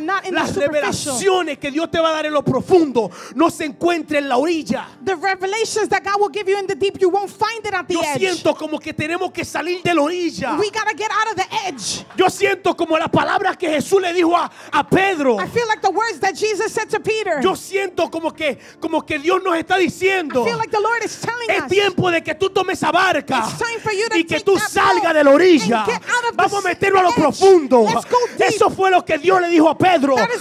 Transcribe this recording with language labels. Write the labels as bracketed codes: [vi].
[es] Las revelaciones que Dios te va a dar en lo profundo no se encuentran en la orilla. [en] The revelations that God will give you in the deep, you won't find it at the [es] yo [en] edge. [es] Yo siento como que tenemos que salir de la orilla. [en] We gotta get out of the edge. [es] Yo siento como las palabras que Jesús le dijo a Pedro. [en] I feel like the words that Jesus said to Peter. [es] Yo siento como que Dios nos está diciendo. [en] I feel like the Lord is telling [es] es tiempo [en] us, [es] de que tú tomes esa barca y que tú salgas de la orilla. Vamos a meterlo a lo profundo. Eso fue lo que Dios le dijo a Pedro.